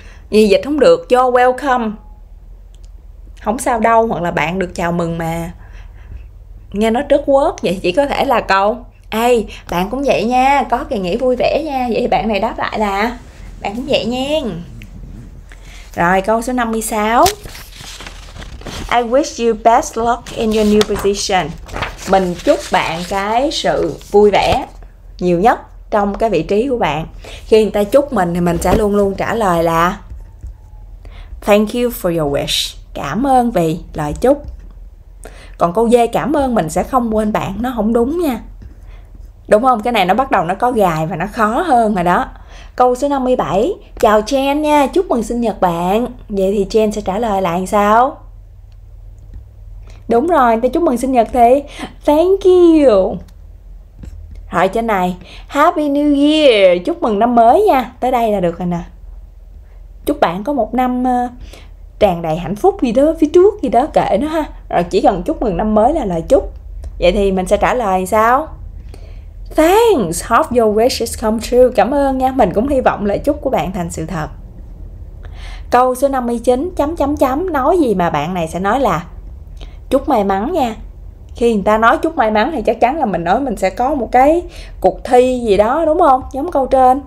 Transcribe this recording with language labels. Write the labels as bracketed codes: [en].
[vi] Vì dịch không được, [en] you're welcome. [vi] Không sao đâu, hoặc là bạn được chào mừng mà. Nghe nó rất work, vậy chỉ có thể là câu ê, bạn cũng vậy nha, có kỳ nghỉ vui vẻ nha. Vậy thì bạn này đáp lại là bạn cũng vậy nha. Rồi, câu số 56. [en] I wish you best luck in your new position. [vi] Mình chúc bạn cái sự vui vẻ nhiều nhất trong cái vị trí của bạn. Khi người ta chúc mình thì mình sẽ luôn luôn trả lời là [en] thank you for your wish. [vi] Cảm ơn vì lời chúc. Còn câu dê cảm ơn mình sẽ không quên bạn, nó không đúng nha. Đúng không? Cái này nó bắt đầu nó có gài và nó khó hơn rồi đó. Câu số 57. Chào Jen nha, chúc mừng sinh nhật bạn. Vậy thì Jen sẽ trả lời lại sao? Đúng rồi, tôi chúc mừng sinh nhật thì thank you. Rồi trên này, [en] Happy New Year, [vi] chúc mừng năm mới nha. Tới đây là được rồi nè. Chúc bạn có một năm tràn đầy hạnh phúc gì đó, phía trước gì đó, kệ nó ha. Rồi chỉ cần chúc mừng năm mới là lời chúc. Vậy thì mình sẽ trả lời sao? [en] Thanks, hope your wishes come true. [vi] Cảm ơn nha, mình cũng hy vọng lời chúc của bạn thành sự thật. Câu số 59, chấm chấm chấm, nói gì mà bạn này sẽ nói là chúc may mắn nha. Khi người ta nói chúc may mắn thì chắc chắn là mình nói mình sẽ có một cái cuộc thi gì đó, đúng không? Giống câu trên.